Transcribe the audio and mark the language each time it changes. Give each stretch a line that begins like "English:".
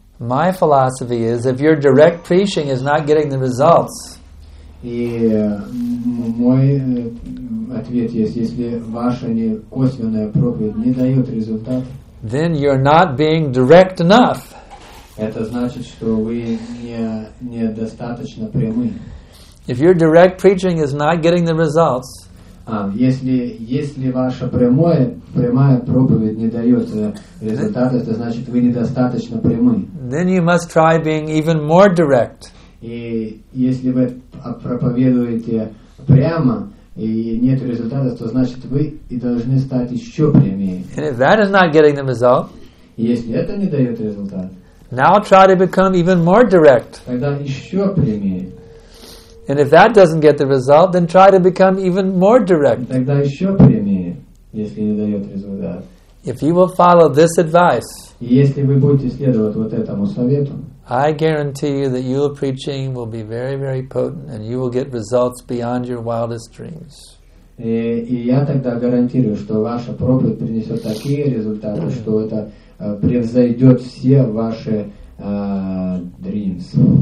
English: My philosophy is if your direct preaching is not getting the results.
Russian: И мой ответ есть, если ваша не косвенная проповедь не дает результат,
English: then you're not being direct enough.
Russian: Это значит, что вы не достаточно прямы.
English: If your direct preaching is not getting the results,
Russian: если ваша прямая проповедь не дает результата, это значит, вы недостаточно прямы.
English: Then you must try being even more direct.
Russian: И если вы проповедуете прямо и нет результата, то значит вы и должны стать еще прямее.
English: And if that is not getting the result,
Russian: если это не дает результат,
English: now try to become even more direct.
Russian: Тогда еще прямее.
English: And if that doesn't get the result, then try to become even more direct.
Russian: Тогда еще прямее, если не дает результат.
English: If you will follow this advice,
Russian: если вы будете следовать вот этому совету,
English: I guarantee you that your preaching will be very, very potent and you will get results beyond your wildest dreams.
Russian: И я тогда гарантирую, что ваша проповедь принесет такие результаты, что это превзойдет все ваши
English: dreams.